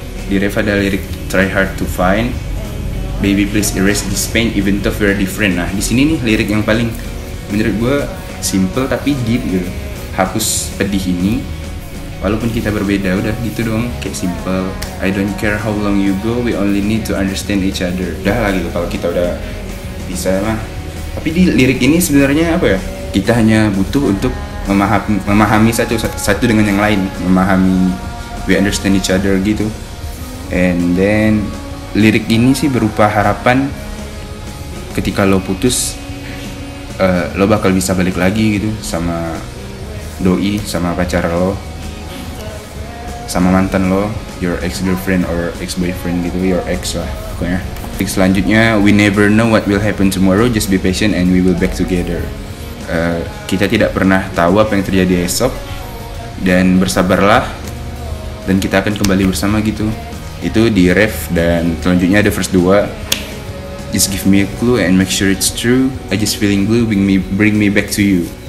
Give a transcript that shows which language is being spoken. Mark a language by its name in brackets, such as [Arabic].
[Indonesian] Di ref ada lirik [English] Try Hard to Find, baby please erase this pain even though we're different. [Indonesian] Nah di sini nih lirik yang paling menurut gue simple tapi deep gitu. Hapus pedih ini, walaupun kita berbeda, udah gitu doang, kayak simple. [English] I don't care how long you go, we only need to understand each other. [Indonesian] Udah lah gitu, kalau kita udah bisa mah. Tapi di lirik ini sebenarnya apa ya? Kita hanya butuh untuk memahami satu dengan yang lain, memahami, [English] we understand each other [Indonesian] gitu. [English] And then [Indonesian] lirik ini sih berupa harapan ketika lo putus, lo bakal bisa balik lagi gitu sama doi, sama pacar lo, sama mantan lo, [English] your ex-girlfriend or ex-boyfriend [Indonesian] gitu, [English] your ex [Indonesian] lah pokoknya. Lirik selanjutnya, [English] we never know what will happen tomorrow, just be patient and we will back together. [Indonesian] Kita tidak pernah tahu apa yang terjadi esok, dan bersabarlah dan kita akan kembali bersama gitu. Itu di ref, dan selanjutnya ada verse 2. [English] Just give me a clue and make sure it's true. I just feeling blue, bring me back to you.